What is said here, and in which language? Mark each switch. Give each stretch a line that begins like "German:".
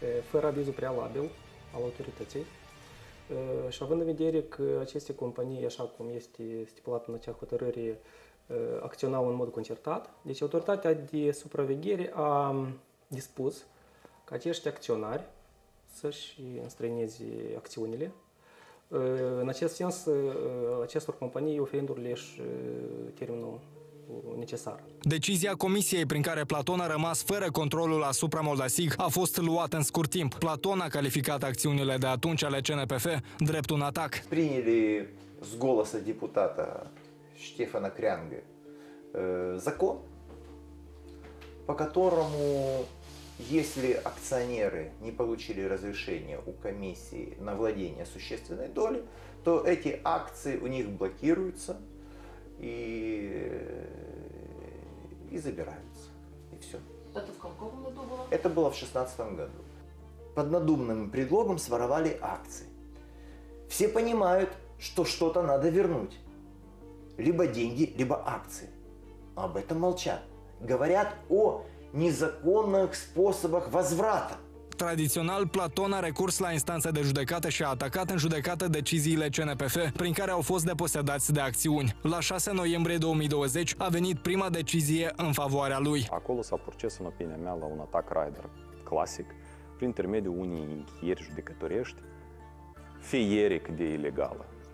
Romanian: fără avizul prealabil al autorității, și având în vedere că aceste companii, așa cum este stipulat în acea hotărâre, acționau în mod concertat, deci autoritatea de supraveghere a dispus ca acești acționari să-și înstrăineze acțiunile, în acest sens acestor companii oferindu-le și termenul necesar. Decizia comisiei prin care Platon a rămas fără controlul asupra Moldasig a fost luată în scurt timp. Platon a calificat acțiunile de atunci ale CNPF drept un atac.
Russian: Prinili z golosa deputata Ștefana Creangă zacon pe catoromu если акционеры не получили разрешение у комисии на владение существенной доли, то эти акции у них блокируются и забираются. И все. Это в каком году было? Это было в 2016 году. Под надуманным предлогом своровали акции. Все понимают, что что-то надо вернуть. Либо деньги, либо акции. Об этом молчат. Говорят о незаконных способах возврата.
Romanian: Tradițional, Platon a recurs la instanța de judecată și a atacat în judecată deciziile CNPF, prin care au fost deposedați de acțiuni. La 6 noiembrie 2020 a venit prima decizie în favoarea lui. Acolo s-a proces, în opinia mea, la un atac rider clasic, prin intermediul unei închieri judecătorești, feieric de ilegală.